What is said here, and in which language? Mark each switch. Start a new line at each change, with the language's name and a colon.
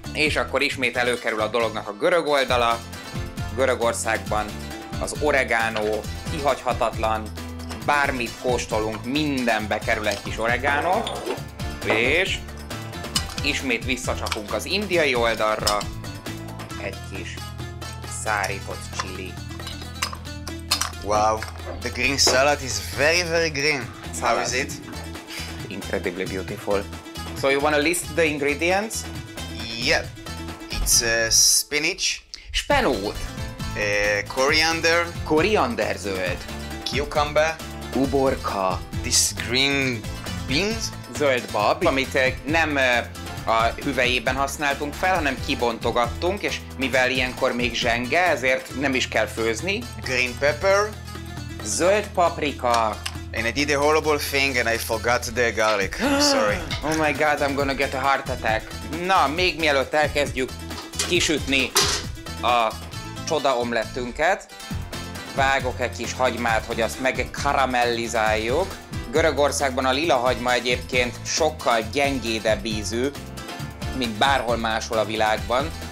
Hungarian: És akkor ismét előkerül a dolognak a görög oldala. Görögországban az oregano kihagyhatatlan. Bármit kóstolunk, mindenbe kerül egy kis oregano. És ismét visszacsapunk az indiai oldalra. Egy kis szárított chili.
English: Wow, the green salad is very, very green. How is it? Incredibly beautiful. So you want to list the ingredients? Yeah. It's spinach.
Hungarian: Spenót.
English: Coriander.
Hungarian: Koriander zöld.
English: Cucumber.
Hungarian: Uborka.
English: This green beans.
Hungarian: Zöld bab, amit nem a hüvelyében használtunk fel, hanem kibontogattunk, és mivel ilyenkor még zsenge, ezért nem is kell főzni.
English: Green pepper.
Hungarian: Zöld paprika.
English: And I did a horrible thing and I forgot the garlic. I'm sorry. Oh my god, I'm gonna get a heart attack.
Hungarian: Na, még mielőtt elkezdjük kisütni a csoda omlettünket, vágok egy kis hagymát, hogy azt megkaramellizáljuk. Görögországban a lila hagyma egyébként sokkal gyengédebb ízű, mint bárhol máshol a világban.